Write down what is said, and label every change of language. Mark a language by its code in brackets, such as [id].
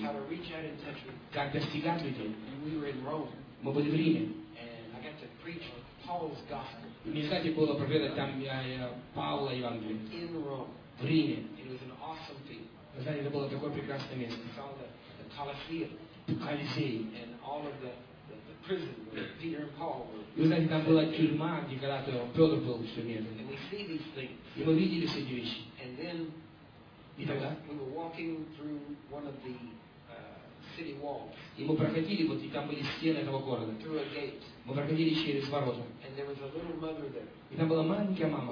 [en] How to reach out and touch people. [ru] Как достигать людей? [en] And we were in Rome. [ru] Мы были в Риме. [en] And I got to preach Paul's gospel. [ru] Мне, кстати, было проповедовать там Павла Евангелие. [en] In Rome. [ru] В Риме. [en] It was an awesome thing. [ru] Вы знаете, это было такое прекрасное место. [en] We saw the Colosseum. [ru] Колизей. [en] And all of the prison where Peter and Paul were. [ru] И вы знаете, там была тюрьма, где когда-то Петр был в тюрьме. [en] And we see these things. [ru] И мы видели все эти вещи. [en] And then we were walking through one of the city walls. [ru] И мы проходили вот, и там были стены этого города. [en] Through a gate. [ru] Мы проходили через ворота. [en] And there was a little mother there. [ru] И там была маленькая мама.